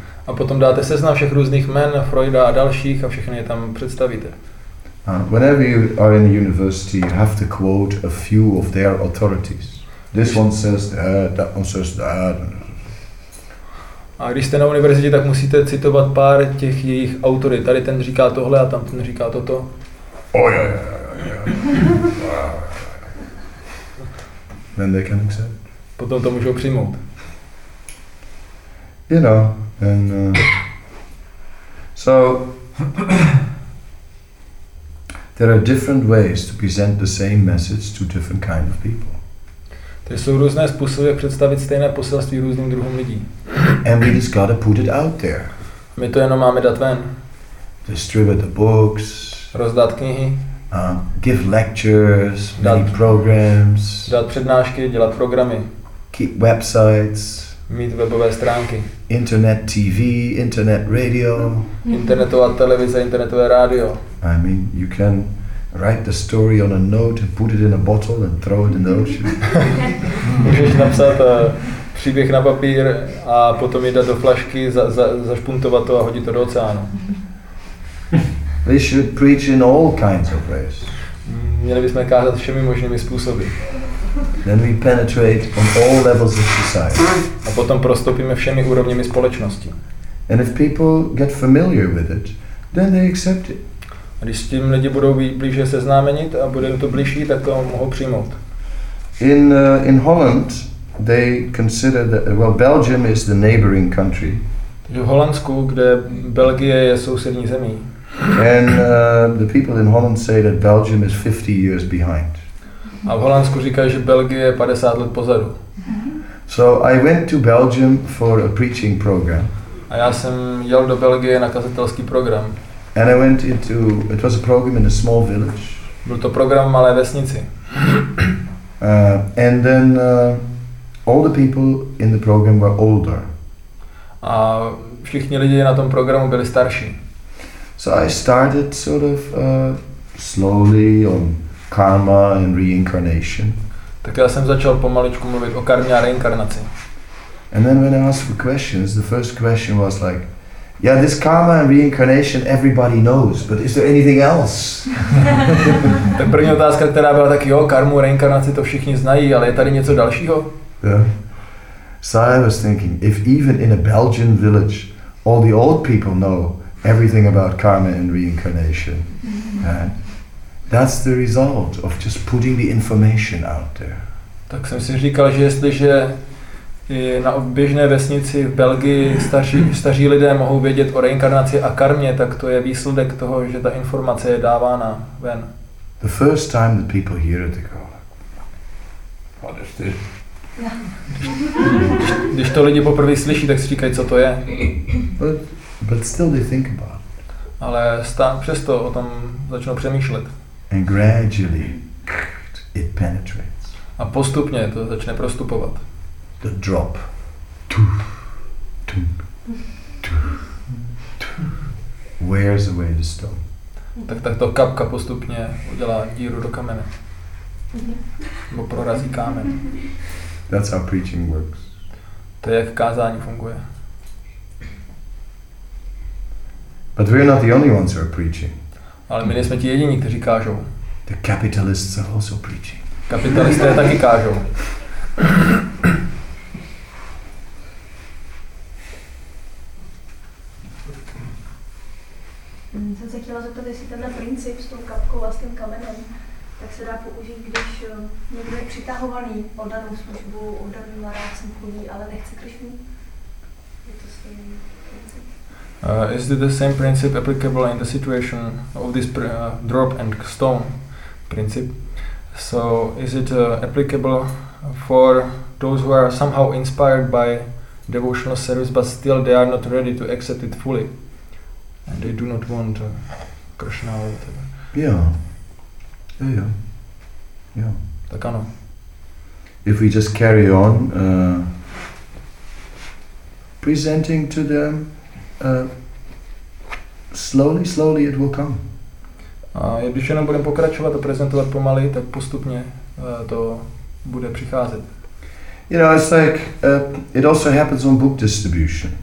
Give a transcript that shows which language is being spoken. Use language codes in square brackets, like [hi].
[cs] A potom dáte seznam všech různých jmen, Freuda a dalších, a všechny je tam představíte. [en] Whenever you are in university, you have to quote a few of their authorities. This one says that one says that. [cs] A když jste na univerzitě, tak musíte citovat pár těch jejich autorit. Tady ten říká tohle a tam ten říká toto. [en] Oh, yeah. Then they can accept. [cs] Potom to můžou přijmout. [en] You know. And so there are different ways to present the same message to different kind of people. There [cs] jsou různé způsoby představit stejné poselství různým druhům lidí. [en] And we just gotta put it out there. [cs] My to jenom máme dát ven. [en] Distribute the books. [cs] Rozdat knihy. [en] Give lectures. [cs] Dát [en] programs. [cs] Dát přednášky, dělat programy. [en] Keep websites. [cs] Mít webové stránky. [en] Internet TV, internet radio. [cs] Internetová televize, internetové rádio. [en] I mean, you can write the story on a note and put it in a bottle and throw it in the ocean. [cs] Můžeš napsat příběh na papír a potom jít do flašky, zašpuntovat to a hodit to do oceánu. [en] We should preach in all kinds of ways. [cs] Měli bychom kázat všemi možnými způsoby. [en] Then we penetrate on all levels of society. [cs] A potom prostoupíme všemi úrovněmi společnosti. [en] And if people get familiar with it, then they accept it. [cs] A když s tím lidi budou blíže seznámenit a bude to blížší, tak to mohou přijmout. [en] In Holland, they consider that, well, Belgium is the neighboring country. [cs] Takže v Holandsku, kde Belgie je sousední zemí. [en] And the people in Holland say that Belgium is 50 years behind. [cs] A v Holandsku říkají, že Belgie je 50 let pozadu. [en] So I went to Belgium for a preaching program. [cs] A já jsem jel do Belgie na kazatelský program. [en] And I went into, it was a program in a small village. [cs] Byl to program v malé vesnici. [en] And then all the people in the program were older. [cs] A všichni lidi na tom programu byli starší. [en] So I started sort of slowly on karma and reincarnation. [cs] Tak já jsem začal pomaličku mluvit o karmě a reinkarnaci. [en] And then when I asked for questions, the first question was like, yeah, this karma and reincarnation everybody knows, but is there anything else? [cs] Tak první otázka, která byla taky, jo, karmu, reinkarnaci, to všichni znají, ale je tady něco dalšího? [en] Yeah. So I was thinking, if even in a Belgian village, all the old people know everything about karma and reincarnation, and that's the result of just putting the information out there. [cs] Tak jsem si říkal, že jestliže na běžné vesnici v Belgii staří lidé mohou vědět o reinkarnaci a karmě, tak to je výsledek toho, že ta informace je dávána ven. [en] The first time that people hear it, they go, what is this? [cs] Když to lidi poprvé slyší, tak si říkají, co to je. [en] But still they think about it. [cs] Ale přesto o tom začnou přemýšlet. [en] And gradually it penetrates. [cs] A postupně to začne prostupovat. [en] The drop. Wears away the stone. [cs] Tak to kapka postupně udělá díru do kamene. Nebo prorazí kámen. [en] That's how preaching works. [cs] To je, jak kázání funguje. [en] But we're not the only ones who are preaching. [cs] Ale my nejsme ti jediní, kteří kážou. [en] The capitalists are also preaching. [cs] Kapitalisté taky kážou. Jsem se chtěla zeptat, jestli tenhle princip s tou kapkou a s tím kamenem, tak se dá použít, když někdo je přitahovaný o danou službu, o daný narácem chodí, ale nechce Krišnu. Je to stejný. [en] Is it the same principle applicable in the situation of this drop and stone principle? So is it applicable for those who are somehow inspired by devotional service, but still they are not ready to accept it fully, and they do not want Krishna or whatever? Yeah. [cs] Tak ano. [en] If we just carry on presenting to them. Slowly it will come. [cs] A když jenom budeme pokračovat a prezentovat pomaly, tak postupně to bude přicházet. [en] You know, it's like it also happens on book distribution.